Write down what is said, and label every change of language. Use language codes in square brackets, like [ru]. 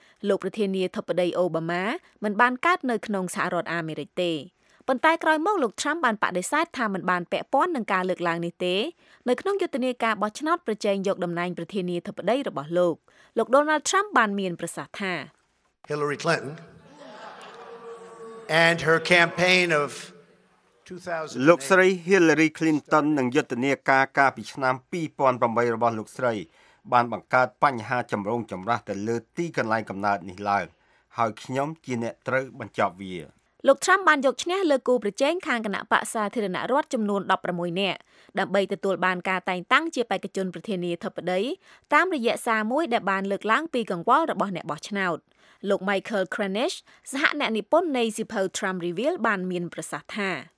[km] លោកប្រធានាធិបតីអូបាម៉ាមិនបានកើតនៅក្នុងសហរដ្ឋអាមេរិកទេប៉ុន្តែក្រោយមកលោកត្រាំបានបដិសេធថាមិនបានពាក់ព័ន្ធនឹងការលើកឡើងនេះទេនៅក្នុងយុទ្ធនាការបោះឆ្នោតប្រជែងយកតំណែងប្រធានាធិបតីរបស់លោកលោក Donald Trump បានមានប្រសាសន៍ថា [en] Hillary Clinton and her campaign of [km] 2008លោកស្រី Hillary Clinton និងយុទ្ធនាការកាលពីឆ្នាំ2008របស់លោកស្រីបានបង្កើតបញ្ហាចម្រូងចម្រាសទៅលើទីកន្លែងកំណើតនេះឡើងហើយខ្ញុំជាអ្នកត្រូវបញ្ចប់វា លោកត្រាំបានយកឈ្នះលើគូប្រជែងខាងគណៈបក្សសាធារណរដ្ឋចំនួន16នាក់ដើម្បីទទួលបានការតែងតាំងជាបេក្ខជនប្រធានាធិបតីតាមរយៈសារមួយដែលបានលើកឡើងពីកង្វល់របស់អ្នកបោះឆ្នោតលោក Michael Cranish សហអ្នកនិពន្ធនៃសៀវភៅ Trump Reveal បានមានប្រសាសន៍ថា